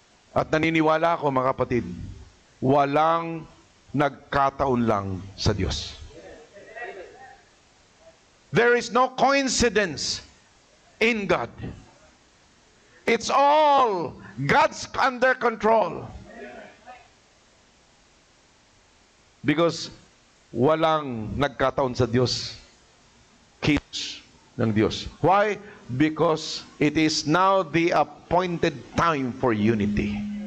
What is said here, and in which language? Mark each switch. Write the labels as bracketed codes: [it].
[tl] At naniniwala ako, mga kapatid, walang nagkataon lang sa Diyos. [en] There is no coincidence in God. It's all God's under control. [tl] Because walang nagkataon sa Diyos, kids ng Diyos. [en] Why? Because it is now the appointed time for unity.